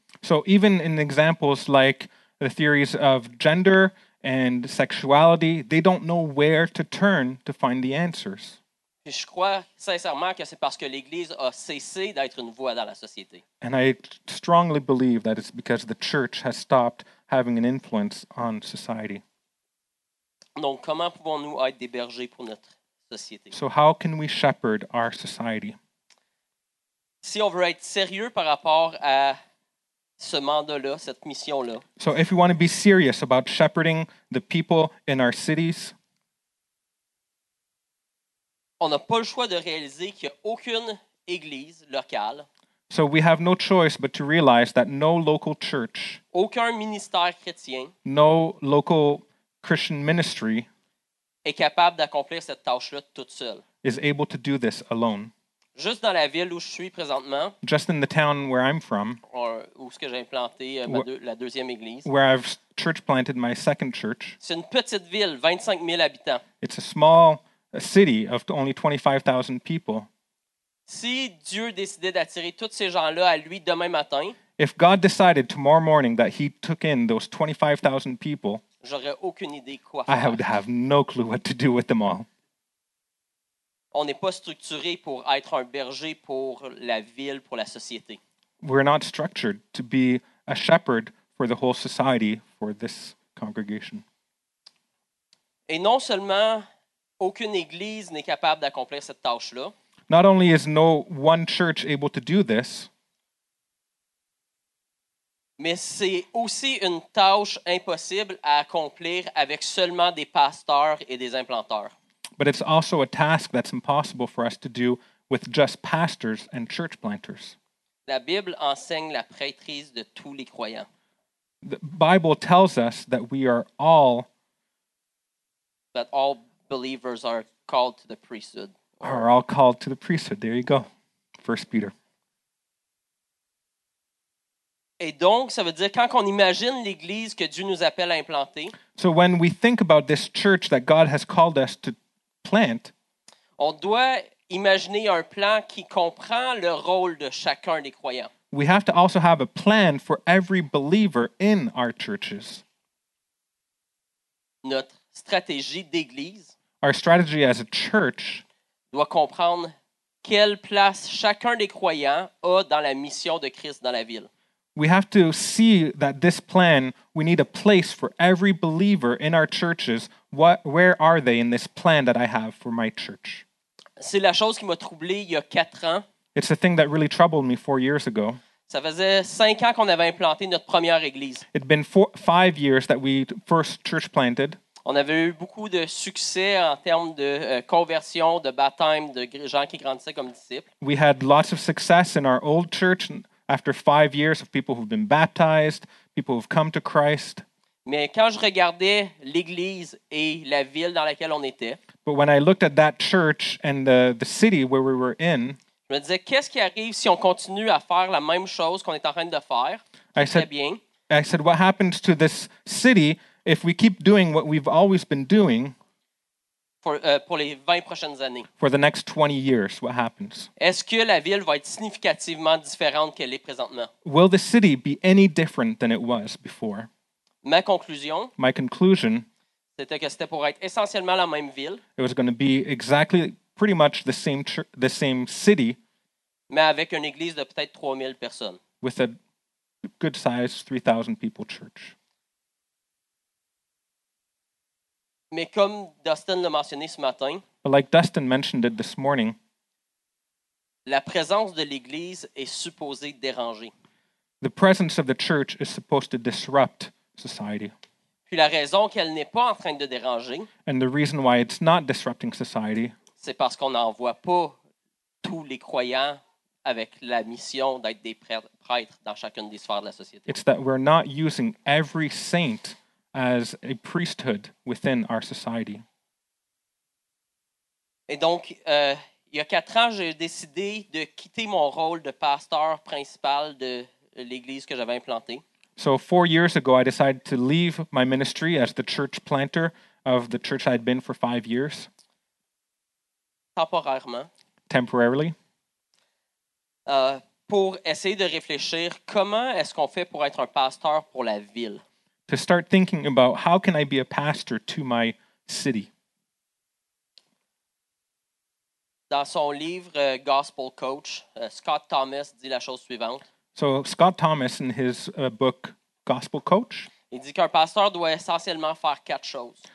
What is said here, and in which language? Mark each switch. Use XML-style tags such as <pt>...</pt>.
<en>So even in examples like the theories of gender and sexuality, they don't know where to turn to find the answers.</en> <fr>Et je crois sincèrement que c'est parce que l'Église a cessé d'être une voix dans la société.</fr> <en>And I strongly believe that it's because the church has stopped having an influence on society.</en> <fr>Donc, comment pouvons-nous être des bergers pour notre société?</fr> <en>So how can we shepherd our society?</en> <fr>Si on veut être sérieux par rapport à ce mandat-là, cette mission-là.</fr> <en>So if we want to be serious about shepherding the people in our cities,</en> <fr>on n'a pas le choix de réaliser qu'il n'y a aucune église locale.</fr> <en>So we have no choice but to realize that no local church,</en> <fr>aucun ministère chrétien,</fr> <en>no local Christian ministry,</en> <fr>est capable d'accomplir cette tâche-là toute seule.</fr> <en>Is able to do this alone.</en> <fr>Juste dans la ville où je suis présentement,</fr> <en>just in the town where I'm from,</en> <fr>où est-ce que j'ai implanté la deuxième église,</fr> <en>where I've church planted my second church.</en> <fr>C'est une petite ville, 25 000 habitants.</fr> <en>It's a small a city of only 25,000 people.</en> <fr>Si Dieu décidait d'attirer tous ces gens-là à lui demain matin,</fr> <en>if God decided tomorrow morning that he took in those 25,000 people,</en> <fr>j'aurais aucune idée quoi faire.</fr> <en>I would have no clue what to do with them all.</en> <fr>On n'est pas structuré pour être un berger pour la ville, pour la société.</fr> <en>We're not structured to be a shepherd for the whole society, for this congregation.</en> <fr>Et non seulement aucune église n'est capable d'accomplir cette tâche-là.</fr> <en>Not only is no one church able to do this,</en> <fr>mais c'est aussi une tâche impossible à accomplir avec seulement des pasteurs et des implanteurs.</fr> <en>But it's also a task that's impossible for us to do with just pastors and church planters.</en> <fr>La Bible enseigne la prêtrise de tous les croyants.</fr> <en>The Bible tells us that we are all, that all believers are called to the priesthood. Are all called to the priesthood. There you go. First Peter.</en> <fr>Et donc, ça veut dire quand on imagine l'église que Dieu nous appelle à implanter.</fr> <en>So when we think about this church that God has called us to plant,</en> <fr>on doit imaginer un plan qui comprend le rôle de chacun des croyants.</fr> <en>we have to also have a plan for every believer in our churches.</en> <fr>Notre stratégie d'église,</fr> <en>our strategy as a church,</en> <fr>doit comprendre quelle place chacun des croyants a dans la mission de Christ dans la ville.</fr> <en>We have to see that this plan, we need a place for every believer in our churches. Where are they in this plan that I have for my church?</en> <fr>C'est la chose qui m'a troublé il y a 4 ans.</fr> <en>It's the thing that really troubled me 4 years ago.</en> <fr>Ça faisait 5 ans qu'on avait implanté notre première église.</fr> <en>It'd been 5 years that we first church planted.</en> <fr>On avait eu beaucoup de succès en termes de conversion, de baptême, de gens qui grandissaient comme disciples.</fr> <en>We had lots of success in our old church after 5 years of people who've been baptized, people who've come to Christ.</en> <fr>Mais quand je regardais l'église et la ville dans laquelle on était,</fr> <en>but when I looked at that church and the city where we were in,</en> <fr>je me disais, qu'est-ce qui arrive si on continue à faire la même chose qu'on est en train de faire?</fr> <en>I said, what happens to this city if we keep doing what we've always been doing</en> <fr>pour les 20 prochaines années?</fr> <en>For the next 20 years, what happens?</en> <fr>Est-ce que la ville va être significativement différente qu'elle est présentement?</fr> <en>Will the city be any different than it was before?</en> <fr>Ma conclusion,</fr> <en>my conclusion,</en> <fr>c'était que c'était pour être essentiellement la même ville.</fr> <en>It was going to be exactly pretty much the same city,</en> <fr>mais avec une église de peut-être 3000 personnes.</fr> <en>With a good size 3000 people church.</en> <fr>Mais comme Dustin l'a mentionné ce matin,</fr> <en>but like Dustin mentioned it this morning,</en> <fr>la présence de l'église est supposée déranger.</fr> <en>The presence of the church is supposed to disrupt society.</en> <fr>Puis la raison qu'elle n'est pas en train de déranger,</fr> <en>and the reason why it's not disrupting society,</en> <fr>c'est parce qu'on n'envoie pas tous les croyants avec la mission d'être des prêtres dans chacune des sphères de la société.</fr> <en>It's that we're not using every saint as a priesthood within our society.</en> <fr>Et donc, il y a 4 ans, j'ai décidé de quitter mon rôle de pasteur principal de l'église que j'avais implantée.</fr> <en>So 4 years ago, I decided to leave my ministry as the church planter of the church I'd been for 5 years.</en> <fr>Temporairement.</fr> <en>Temporarily.</en> <fr>Pour essayer de réfléchir comment est-ce qu'on fait pour être un pasteur pour la ville.</fr> <en>To start thinking about how can I be a pastor to my city.</en> <fr>Dans son livre Gospel Coach, Scott Thomas dit la chose suivante.</fr> <en>So Scott Thomas in his book Gospel Coach,</en> <fr>il dit qu'un pasteur doit essentiellement faire 4 choses.</fr>